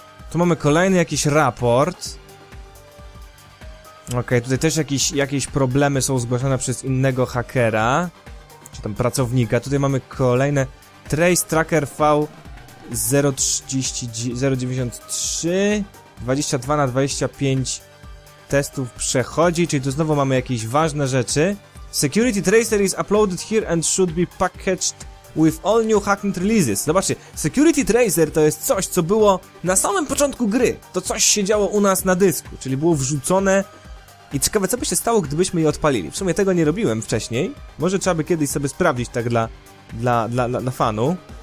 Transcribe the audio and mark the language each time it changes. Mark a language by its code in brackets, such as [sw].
[pl] Tu mamy kolejny jakiś raport. Okej, tutaj też jakieś problemy są zgłaszane przez innego hakera, czy tam pracownika. Tutaj mamy kolejne... Trace Tracker V093 22 na 25 testów przechodzi, czyli tu znowu mamy jakieś ważne rzeczy. [en] Security Tracer is uploaded here and should be packaged with all new Hacknet releases. [pl] Zobaczcie, Security Tracer to jest coś, co było na samym początku gry. To coś się działo u nas na dysku, czyli było wrzucone. I ciekawe, co by się stało, gdybyśmy je odpalili. W sumie tego nie robiłem wcześniej. Może trzeba by kiedyś sobie sprawdzić tak dla fanu.